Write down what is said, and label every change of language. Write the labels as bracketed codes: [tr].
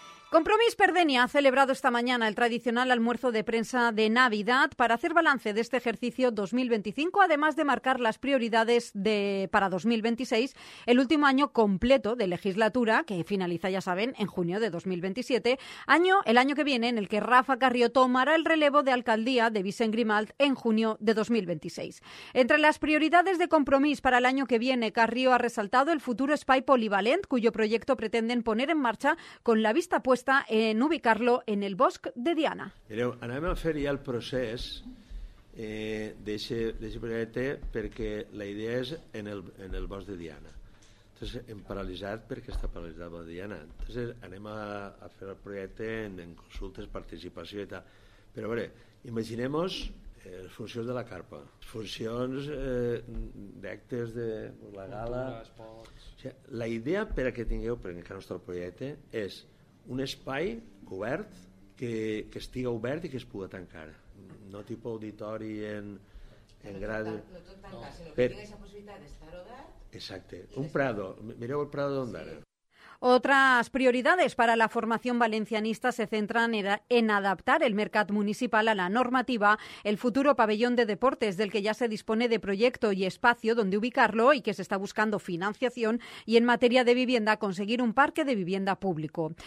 [es] Compromís per Denia ha celebrado esta mañana el tradicional almuerzo de prensa de Navidad para hacer balance de este ejercicio 2025, además de marcar las prioridades para 2026, el último año completo de legislatura, que finaliza, ya saben, en junio de 2027, el año que viene en el que Rafa Carrió tomará el relevo de alcaldía de Vicent Grimalt en junio de 2026. Entre las prioridades de Compromís para el año que viene, Carrió ha resaltado el futuro espai polivalent, cuyo proyecto pretenden poner en marxa con la vista pública en ubicarlo en el bosc de Diana. [ca] Mireu, anem a fer ja el procés d'aquest projecte, perquè la idea és en el bosc de Diana. Entonces, hem paralitzat perquè està paralitzat el bosc de Diana. Entonces, anem a fer el projecte en consultes, participació i tal. Però a veure, imaginem-nos les funcions de la carpa, funcions d'actes de la gala... Cultura, o sigui, la idea per a que tingueu, per encara no està el projecte, és un espai obert que estiga obert i que es pugui tancar. No tipus auditori en grade. No tot tancar, sinó que tingui aquesta possibilitat d'estar obert. Exacte. Un prado. Mireu el prado d'on d'ara. Sí. [es] Otras prioridades para la formación valencianista se centran en adaptar el mercat municipal a la normativa, el futuro pabellón de deportes del que ya se dispone de proyecto y espacio donde ubicarlo y que se está buscando financiación, y en materia de vivienda conseguir un parque de vivienda público.